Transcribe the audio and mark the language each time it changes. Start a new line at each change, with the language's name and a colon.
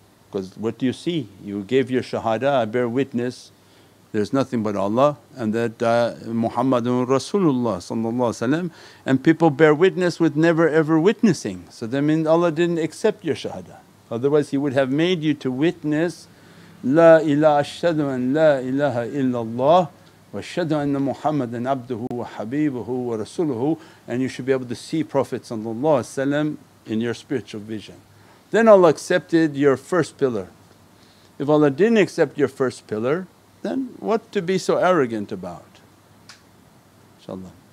English: Because what do you see? You gave your shahada, I bear witness, there's nothing but Allah and that Muhammadun Rasulullah sallallahu alaihi wasallam, and people bear witness with never ever witnessing. So that means Allah didn't accept your shahada, otherwise He would have made you to witness,
Arabic: La ilaha ashhadu an la ilaha illallah. وَشَدْهُ أَنَّ مُحَمَّدًا عَبْدُهُ وَحَبِيبُهُ وَرَسُولُهُ.
English: And you should be able to see Prophet in your spiritual vision. Then Allah accepted your first pillar. If Allah didn't accept your first pillar, then what to be so arrogant about? InshaAllah.